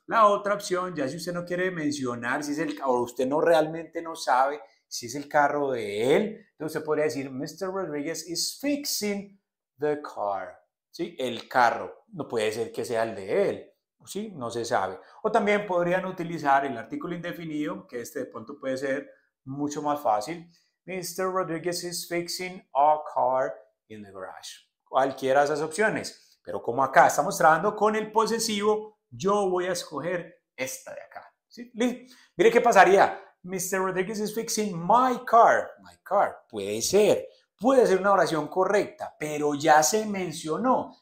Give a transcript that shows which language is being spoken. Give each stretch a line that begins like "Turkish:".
Spanish: La otra opción, ya si usted no quiere mencionar si es el carro, o usted no realmente no sabe si es el carro de él, entonces usted podría decir, Mr.
English: Rodriguez is fixing the car.
Spanish: ¿Sí? El carro. No puede ser que sea el de él. ¿Sí? No se sabe. O también podrían utilizar el artículo indefinido, que este de pronto puede ser mucho más fácil.
English: Mr. Rodriguez is fixing a car in the garage.
Spanish: Cualquiera de esas opciones. Pero como acá estamos trabajando con el posesivo, yo voy a escoger esta de acá. ¿Sí? Mire qué pasaría.
English: Mr. Rodriguez is fixing my car. My car.
Spanish: Puede ser una oración correcta, pero ya se mencionó.